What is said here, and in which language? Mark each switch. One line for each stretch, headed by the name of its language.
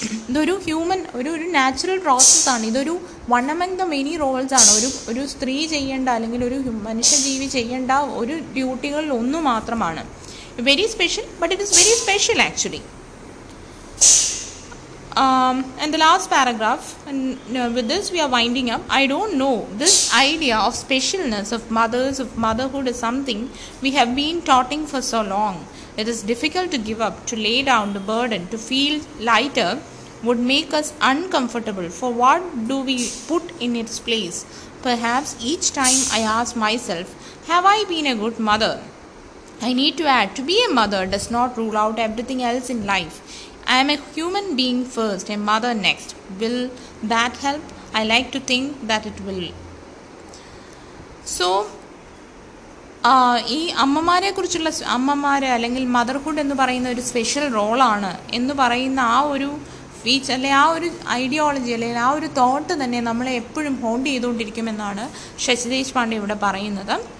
Malayalam: ഇതൊരു ഹ്യൂമൻ ഒരു നാച്ചുറൽ പ്രോസസ്സാണ്. ഇതൊരു
English: one among the many roles
Malayalam: ആണ്. ഒരു സ്ത്രീ ചെയ്യേണ്ട അല്ലെങ്കിൽ ഒരു മനുഷ്യജീവി ചെയ്യേണ്ട ഒരു ഡ്യൂട്ടികളിൽ ഒന്നു മാത്രമാണ്.
English: Very special, but it is very special actually. And the last paragraph, with this we are winding up. I don't know, this idea of specialness of mothers, of motherhood, is something we have been taunting for so long. It is difficult to give up, to lay down the burden, to feel lighter would make us uncomfortable. For what do we put in its place? Perhaps each time I ask myself, have I been a good mother? I need to add, to be a mother does not rule out everything else in life. I am a human being first, a mother next. Will that help? I like to think that it will. So,
Malayalam: ഈ അമ്മമാരെ കുറിച്ചുള്ള അമ്മമാരെ അല്ലെങ്കിൽ motherhood എന്ന് പറയുന്ന ഒരു special റോളാണ് എന്ന് പറയുന്ന ആ ഒരു സ്പീച്ച് അല്ലെങ്കിൽ ആ ഒരു ഐഡിയോളജി അല്ലെങ്കിൽ ആ ഒരു തോട്ട് തന്നെ നമ്മളെ എപ്പോഴും ഹോണ്ട് ചെയ്തുകൊണ്ടിരിക്കുമെന്നാണ് ശശി ദേശ്പാണ്ഡെ ഇവിടെ പറയുന്നത്.